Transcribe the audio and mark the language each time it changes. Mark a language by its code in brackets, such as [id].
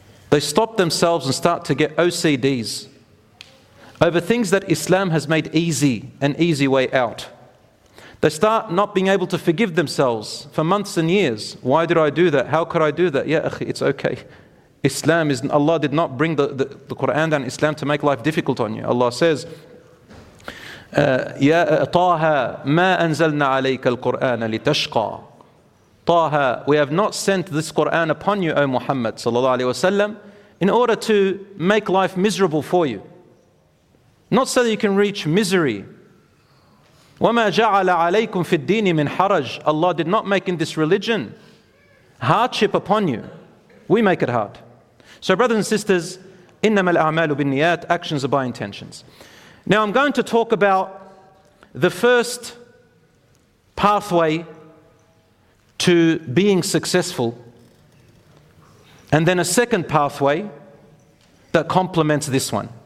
[en] They stop themselves and start to get OCDs over things that Islam has made easy, an easy way out. They start not being able to forgive themselves for months and years. Why did I do that? How could I do that? Yeah, it's okay. Islam is, Allah did not bring the Quran and Islam to make life difficult on you. Allah says, [ar] يا طه ما أنزلنا عليك القرآن لتشقى. [en] طه, we have not sent this Quran upon you, O Muhammad sallallahu alaihi wasallam, in order to make life miserable for you. Not so that you can reach misery. [ar] وما جعل عليكم في الدين من حرج. [en] Allah did not make in this religion hardship upon you. We make it hard. So brothers and sisters, [ar] إنما الأعمال بالنيات, [en] actions are by intentions. Now I'm going to talk about the first pathway to being successful, and then a second pathway that complements this one.